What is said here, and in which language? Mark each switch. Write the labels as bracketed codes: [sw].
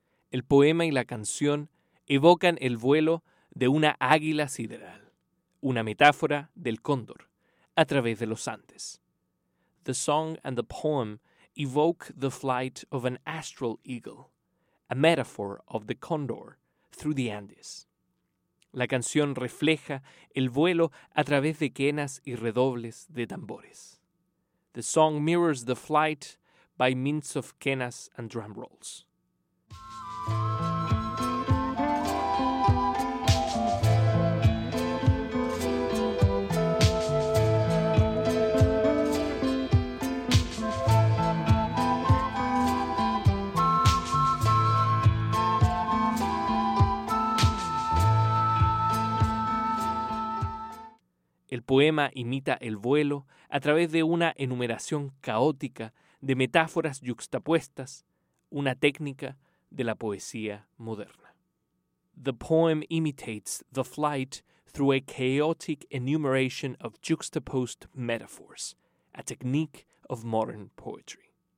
[es] El poema y la canción evocan el vuelo de una águila sideral, una metáfora del cóndor, a través de los Andes. [en] The song and the poem evoke the flight of an astral eagle, a metaphor of the condor, through the Andes. [es] La canción refleja el vuelo a través de quenas y redobles de tambores. [en] The song mirrors the flight by means of quenas and drum rolls. [es] El poema imita el vuelo a través de una enumeración caótica de metáforas yuxtapuestas, una técnica de la poesía moderna. [en] The poem imitates the flight through a chaotic enumeration of juxtaposed metaphors, a technique of modern poetry.